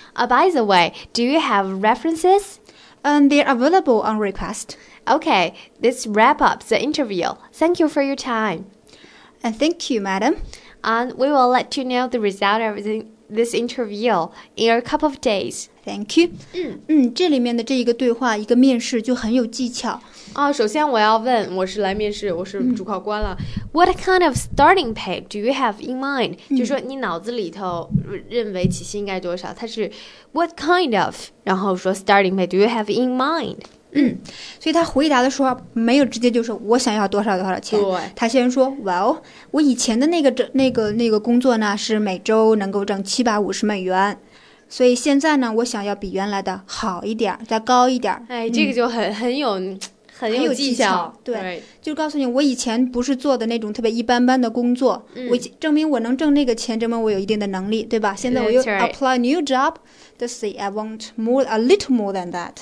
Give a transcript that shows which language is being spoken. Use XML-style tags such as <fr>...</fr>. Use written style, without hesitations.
<en>By the way, do you have references? They're available on request. Okay, this wraps up the interview. Thank you for your time. And thank you, madam. And we will let you know the result of this interview in a couple of days. Thank you.</en> <zh>这里面的这一个对话，一个面试就很有技巧。首先我要问，我是来面试，我是主考官了。</zh> <en>What kind of starting pay do you have in mind?</en> <zh>就是说你脑子里头认为起薪应该多少？它是</zh> <en>what kind of?</en> <zh>然后说</zh> <en>starting pay do you have in mind?</en> <zh>所以他回答的时候没有直接就说我想要多少多少钱，对，他先说</zh> <en>well,</en> <zh>我以前的那个工作呢是每周能够挣$750，所以现在呢我想要比原来的好一点，再高一点。这个就很有技巧。对、</zh> <en>right.</en> <zh>就告诉你我以前不是做的那种特别一般般的工作、我证明我能挣那个钱，证明我有一定的能力，对吧？现在我又</zh> <en>apply new job, let's see, I want more, a little more than that.</en>